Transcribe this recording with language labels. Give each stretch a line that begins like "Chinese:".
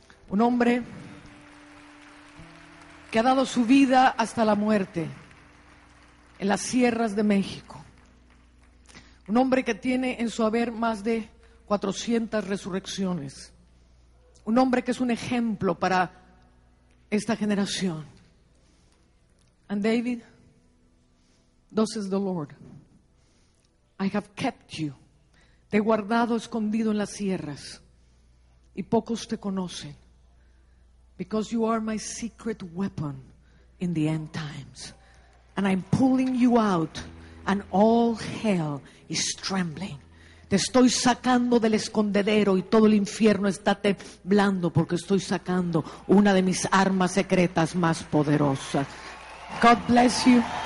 Spanish: Un hombre que ha dado su vida hasta la muerte en las sierras de México. Un hombre que tiene en su haber más de 400 resurrecciones. Un hombre que es un ejemplo para esta generación.
English: And David, thus is the Lord. I have kept you.
Spanish: Te he guardado escondido en las sierras. Y pocos te conocen.
English: Because you are my secret weapon in the end times. And I'm pulling you out. And all hell is trembling.
Spanish: Te estoy sacando del escondedero y todo el infierno está temblando porque estoy sacando una de mis armas secretas más poderosas.
English: God bless you.